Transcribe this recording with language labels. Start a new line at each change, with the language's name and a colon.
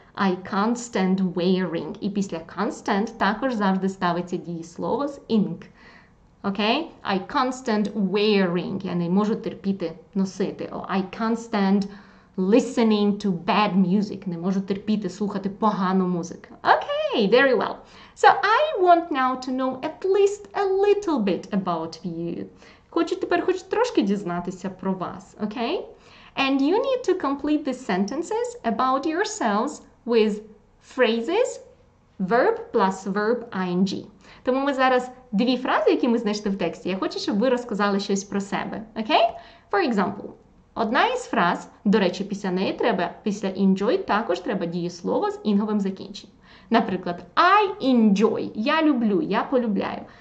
English: I can't stand wearing.
Ukrainian: І після can't stand також завжди ставиться дієслово з ing. Okay?
English: I can't stand wearing.
Ukrainian: Я не можу терпіти носити.
English: Or I can't stand listening to bad music.
Ukrainian: Не можу терпіти слухати погану музику.
English: Okay, very well. So I want now to know at least a little bit about you.
Ukrainian: Хочу тепер хоч трошки дізнатися про вас, okay?
English: And you need to complete the sentences about yourselves with phrases, verb plus verb ing.
Ukrainian: Тому ми зараз дві фрази, які ми знайшли в тексті. Я хочу, щоб ви розказали щось про себе, okay?
English: For example,
Ukrainian: одна із фраз, до речі, після неї треба, після enjoy також треба дієслово з інговим закінченням. Наприклад,
English: I enjoy,
Ukrainian: я люблю, я полюбляю.